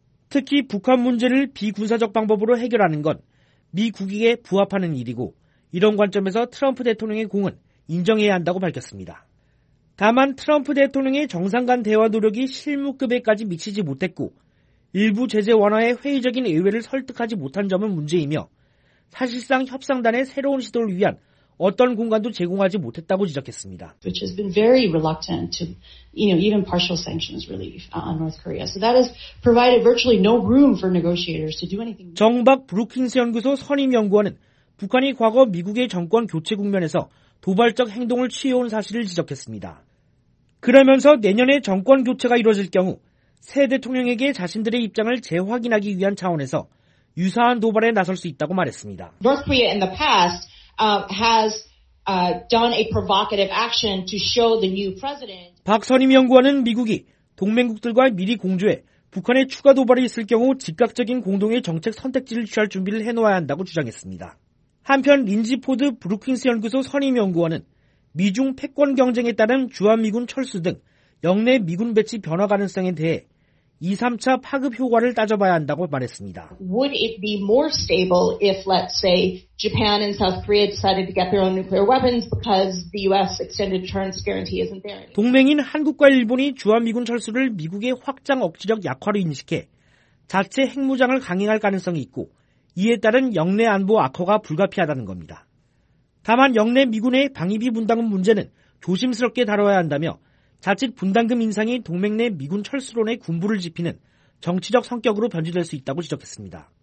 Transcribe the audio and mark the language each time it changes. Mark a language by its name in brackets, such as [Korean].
[Korean] 특히 북한 문제를 비군사적 방법으로 해결하는 건 미 국익에 부합하는 일이고 이런 관점에서 트럼프 대통령의 공은 인정해야 한다고 밝혔습니다. 다만 트럼프 대통령의 정상 간 대화 노력이 실무급에까지 미치지 못했고 일부 제재 완화에 회의적인 의회를 설득하지 못한 점은 문제이며 사실상 협상단의 새로운 시도를 위한 어떤 공간도 제공하지 못했다고 지적했습니다. [English] Which has been very reluctant to, you know, even partial sanctions relief on North Korea. So that has provided virtually no room for negotiators to do anything. [Korean] 정박 브루킹스 연구소 선임 연구원은 북한이 과거 미국의 정권 교체 국면에서 도발적 행동을 취해온 사실을 지적했습니다. 그러면서 내년에 정권 교체가 이루어질 경우 새 대통령에게 자신들의 입장을 재확인하기 위한 차원에서 유사한 도발에 나설 수 있다고 말했습니다. [English] North Korea in the past has done a provocative action to show the new president. [Korean] 박 선임 연구원은 미국이 동맹국들과 미리 공조해 북한의 추가 도발이 있을 경우 즉각적인 공동의 정책 선택지를 취할 준비를 해놓아야 한다고 주장했습니다. 한편 린지 포드 브루킹스 연구소 선임 연구원은 미중 패권 경쟁에 따른 주한미군 철수 등 영내 미군 배치 변화 가능성에 대해 2, 3차 파급 효과를 따져봐야 한다고 말했습니다. [English] Would it be more stable if, let's say, Japan and South Korea decided to get their own nuclear weapons because the U.S. extended deterrence guarantee isn't there? [Korean] 동맹인 한국과 일본이 주한미군 철수를 미국의 확장 억지력 약화로 인식해 자체 핵무장을 강행할 가능성이 있고 이에 따른 영내 안보 악화가 불가피하다는 겁니다. 다만 영내 미군의 방위비 분담금 문제는 조심스럽게 다뤄야 한다며 자칫 분담금 인상이 동맹 내 미군 철수론의 군부를 지피는 정치적 성격으로 변질될 수 있다고 지적했습니다.